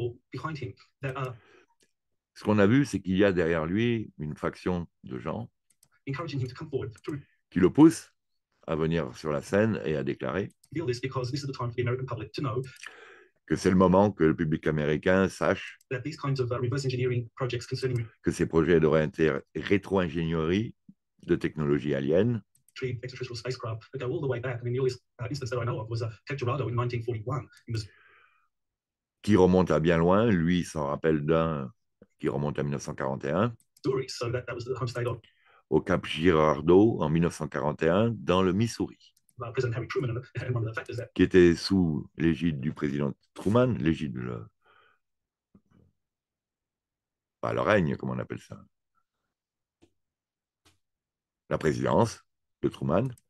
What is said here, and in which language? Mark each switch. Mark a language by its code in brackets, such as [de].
[fr] Ce qu'on a vu, c'est qu'il y a derrière lui une faction de gens qui le poussent à venir sur la scène et à déclarer que c'est le moment que le public américain sache [en] that these kinds of reverse engineering projects concerning [fr] que ces projets devraient être rétro-ingénierie de technologie alien. [en] Extraterrestrial spacecraft that go all the way back. I mean, the earliest instance that I know of was a Cape Girardeau in 1941. [fr] Qui remonte à bien loin. Lui, il s'en rappelle d'un qui remonte à 1941. [en] Missouri, so that was the home state of. [fr] Au Cap Girardeau en 1941, dans le Missouri. [en] President Harry Truman, and one of the factors that. [fr] Qui était sous l'égide du président Truman, l'égide de. Pas le règne, comment on appelle ça? La présidence de Truman.